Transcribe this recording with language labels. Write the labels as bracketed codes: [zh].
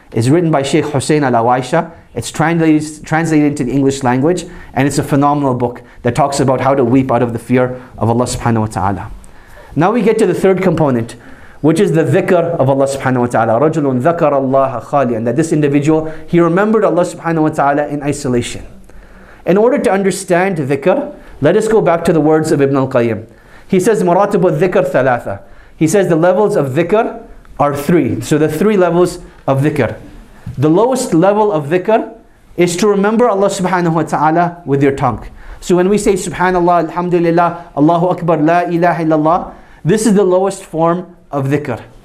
[en] It's written by Shaykh Hussein al-Awaisha. It's translated into the English language, and it's a phenomenal book that talks about how to weep out of the fear of Allah subhanahu wa ta'ala. Now we get to the third component, which is the dhikr of Allah subhanahu wa ta'ala. [ar] رَجُلٌ ذَكَرَ اللَّهَ خَالِيًا. [en] That this individual, he remembered Allah subhanahu wa ta'ala in isolation. In order to understand dhikr, let us go back to the words of Ibn al-Qayyim. He says, [ar] مَرَاتِبُ الذِّكْرِ ثَلَاثَ. [en] He says the levels of dhikr are three. So the three levels of dhikr. The lowest level of dhikr is to remember Allah subhanahu wa ta'ala with your tongue. So when we say subhanallah, alhamdulillah, Allahu Akbar, la ilaha illallah, this is the lowest form of dhikr.